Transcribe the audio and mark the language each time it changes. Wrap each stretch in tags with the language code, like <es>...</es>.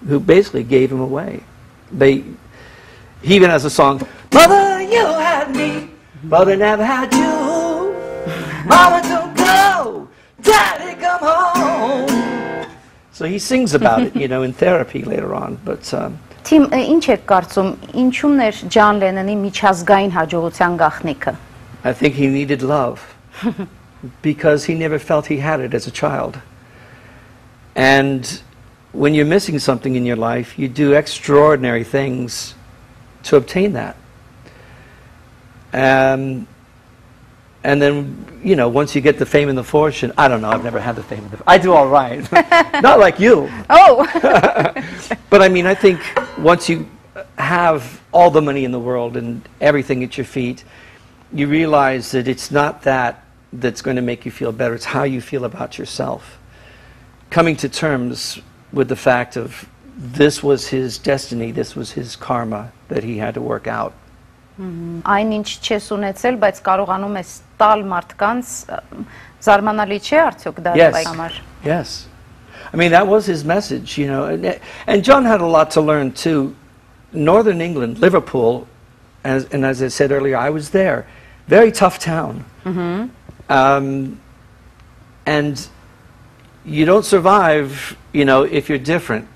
<en>who basically gave him away. He even has a song, Mother, you had me. Mother never had you. Mama, don't go. Daddy, come home. So he sings about it, you know, in therapy later on. But,</en> <hy>Tim, ինչ եք կարծում, ինչու՞ ներ Ջան Լենոնի միջազգային հաջողության գաղտնիքը.</hy> <en>I think he needed love because he never felt he had it as a child. And when you're missing something in your life, you do extraordinary things to obtain that. And then, you know, once you get the fame and the fortune, I don't know, I've never had the fame and the fortune. I do all right. Not like you. Oh! But I mean, I think once you have all the money in the world and everything at your feet, you realize that it's not that that's going to make you feel better, it's how you feel about yourself. Coming to terms with the fact of this was his destiny, this was his karma that he had to work out.</en> <hy>Այնինչ չես ունեցել, բայց կարողանում ես տալ մարդկանց, զարմանալի չէ արդյոք դա այս համար.</hy> <en>Yes. I mean, that was his message, you know. And John had a lot to learn, too. Northern England, Liverpool, as I said earlier, I was there. Very tough town. Mm-hmm. And you don't survive, you know, if you're different.</en>